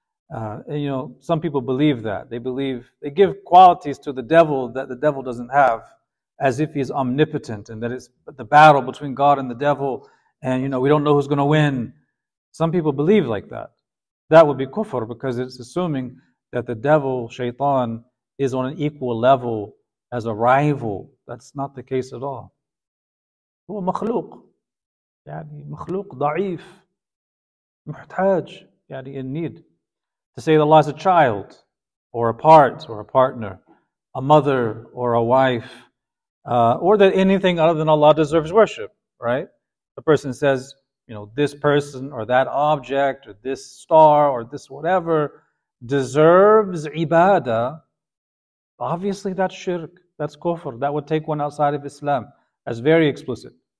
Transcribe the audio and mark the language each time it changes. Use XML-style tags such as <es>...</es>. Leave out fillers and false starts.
<en>And, you know, some people believe that. They believe, they give qualities to the devil that the devil doesn't have, as if he's omnipotent, and that it's the battle between God and the devil, and, you know, we don't know who's going to win. Some people believe like that. That would be kufr, because it's assuming that the devil, shaitan, is on an equal level as a rival. That's not the case at all.</en> <ar>هو مخلوق يعني مخلوق ضعيف محتاج يعني</ar> <en>in need. To say that Allah is a child or a part or a partner, a mother or a wife, or that anything other than Allah deserves worship, right? The person says, you know, this person or that object or this star or this whatever deserves ibadah, obviously that's shirk, that's kufr, that would take one outside of Islam. That's very explicit.</en>